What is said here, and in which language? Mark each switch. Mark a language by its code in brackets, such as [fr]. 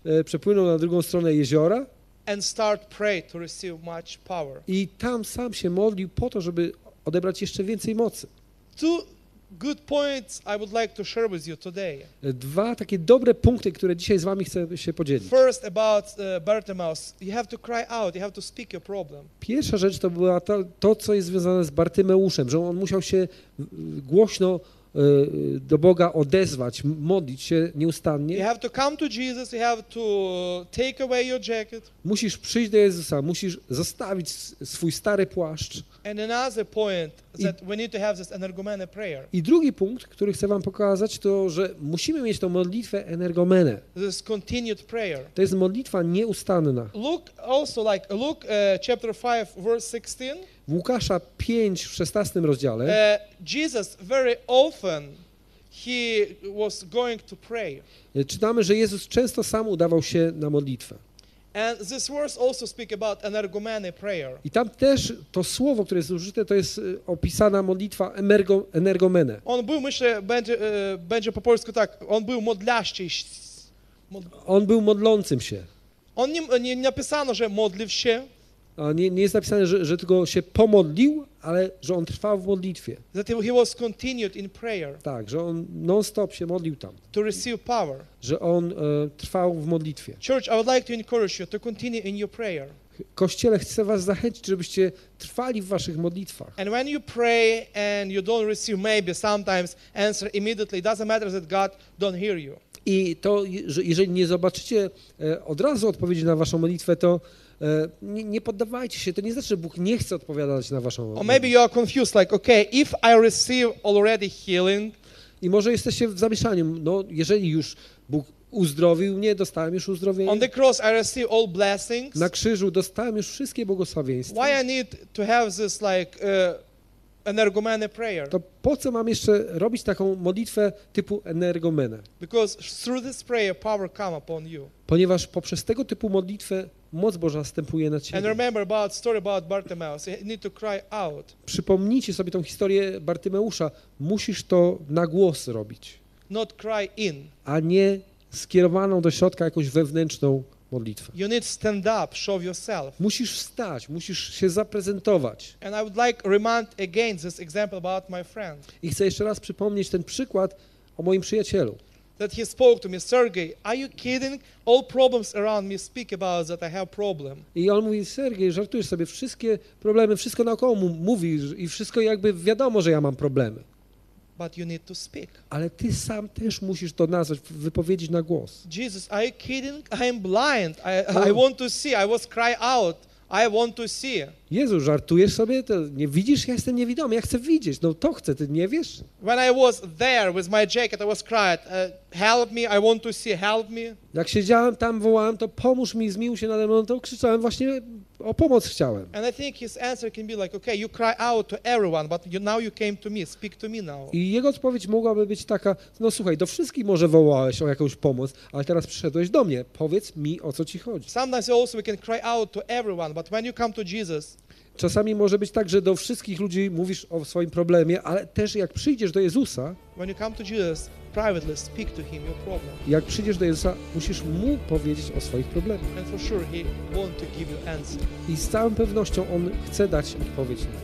[pl] przepłynął na drugą stronę jeziora [en] and start pray to receive much power. [pl] I tam sam się modlił po to, żeby odebrać jeszcze więcej mocy. [en] Two good points I would like to share with you today. [pl] Dwa takie dobre punkty, które dzisiaj z wami chcę się podzielić. [en] First about Bartimaeus. You have to cry out, you have to speak your problem. [pl] Pierwsza rzecz to była to co jest związane z Bartymeuszem, że on musiał się głośno do Boga odezwać, modlić się nieustannie. [en] You have to come to Jesus, you have to take away your jacket. [pl] Musisz przyjść do Jezusa, musisz zostawić swój stary płaszcz. [en] And another point that we need to have this energomene prayer. [pl] I drugi punkt, który chcę wam pokazać, to że musimy mieć tą modlitwę energomene. [en] This continued prayer. [pl] To jest modlitwa nieustanna. [en] Look also like look chapter 5 verse 16. [pl] W Łukasza 5 w 16 rozdziale. [en] Jesus very often he was going to pray. [pl] Czytamy, że Jezus często sam udawał się na modlitwę. [en] And this verse also speak about energomene prayer. [pl] I tam też to słowo, które jest użyte, to jest opisana modlitwa energomene. On był, myślę, będzie po polsku tak, on był modlący się. On był modlącym się. On nie napisano, że modlił się. Nie jest napisane, że tylko się pomodlił, ale że on trwał w modlitwie. [en] That he was continued in prayer. [pl] Tak, że on non-stop się modlił tam. [en] To receive power. [pl] Że on trwał w modlitwie. [en] Church, I would like to encourage you to continue in your prayer. [pl] Kościele, chcę was zachęcić, żebyście trwali w waszych modlitwach. [en] And when you pray and you don't receive maybe sometimes answer immediately, it doesn't matter that God don't hear you. [pl] I to, że jeżeli nie zobaczycie od razu odpowiedzi na waszą modlitwę, to nie poddawajcie się. To nie znaczy, że Bóg nie chce odpowiadać na waszą modlitwę. [en] Or maybe you are confused, like, okay, if I receive already healing. [pl] I może jesteście w zamieszaniu. No, jeżeli już Bóg uzdrowił mnie, dostałem już uzdrowienie. [en] On the cross I receive all blessings. [pl] Na krzyżu dostałem już wszystkie błogosławieństwa. [en] Why I need to have this like energomene prayer? [pl] To po co mam jeszcze robić taką modlitwę typu energomene? [en] Because through this prayer power come upon you. [pl] Ponieważ poprzez tego typu modlitwę moc Boża wstępuje na ciebie. [en] And remember about story about Bartimaeus. You need to cry out. [pl] Przypomnijcie sobie tą historię Bartymeusza. Musisz to na głos robić. Not cry in. A nie skierowaną do środka jakąś wewnętrzną modlitwę. [en] You need stand up, show yourself. [pl] Musisz wstać, musisz się zaprezentować. [en] And I would like remind again this example about my friend. [pl] I chcę jeszcze raz przypomnieć ten przykład o moim przyjacielu. [en] That he spoke to me, Sergey, are you kidding? All problems around me speak about that I have problem. [pl] I on mówi, Sergej, żartujesz sobie, wszystkie problemy, wszystko naokoło mówi i wszystko jakby wiadomo, że ja mam problemy. [en] But you need to speak. [pl] Ale ty sam też musisz to nazwać, wypowiedzieć na głos. [en] Jesus, are you kidding? I am blind. I want to see. I was cry out. I want to see. [pl] Jezu, żartujesz sobie? To nie widzisz? Ja jestem niewidomy. Ja chcę widzieć. No to chcę, ty nie wiesz? [en] When I was there with my jacket, I was crying, help me, I want to see, help me. [pl] Jak siedziałem tam, wołałem, to pomóż mi, zmiłuj się nade mną, to krzyczałem właśnie o pomoc chciałem. [en] And I think his answer can be like, okay, you cry out to everyone, but you, now you came to me, speak to me now. [pl] I jego odpowiedź mogłaby być taka, no słuchaj, do wszystkich może wołałeś o jakąś pomoc, ale teraz przyszedłeś do mnie, powiedz mi, o co ci chodzi. [en] Sometimes also we can cry out to everyone, but when you come to Jesus, [pl] czasami może być tak, że do wszystkich ludzi mówisz o swoim problemie, ale też jak przyjdziesz do Jezusa, [en] when you come to Jesus, privately speak to him your problem. [pl] Jak przyjdziesz do Jezusa, musisz Mu powiedzieć o swoich problemach. [en] And for sure he want to give you answer. [pl] I z całą pewnością On chce dać odpowiedź.